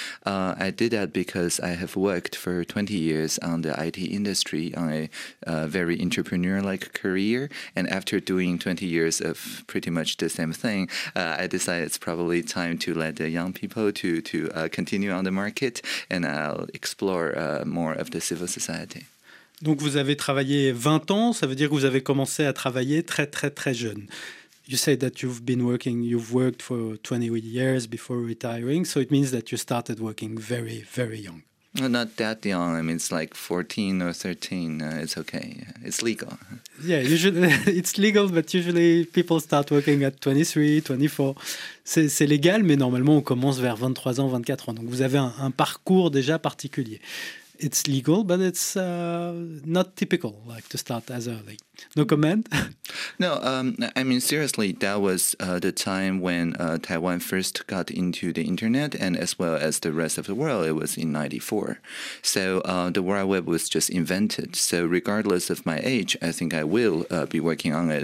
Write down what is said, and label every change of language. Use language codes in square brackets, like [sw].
[en] I did that because I have worked for 20 years on the IT industry on a very entrepreneur-like career. And after doing 20 years of pretty much the same thing, I decided it's probably time to let the young people to continue on the market, and I'll explore more of the civil society. [fr] Donc vous avez travaillé 20 ans, ça veut dire que vous avez commencé à travailler très très très jeune. [en] You say that you've worked for 20 years before retiring, so it means that you started working very very young. No, not that young. I mean, it's like 14 or 13. It's okay. It's legal. Yeah, usually it's legal, but usually people start working at 23, 24. [fr] C'est légal, mais normalement on commence vers 23 ans, 24 ans. Donc vous avez un parcours déjà particulier. [en] It's legal, but it's not typical, like, to start as early. No comment? No, I mean, seriously, that was the time when Taiwan first got into the internet, and as well as the rest of the world, it was in 94. So the World Web was just invented. So regardless of my age, I think I will be working on it.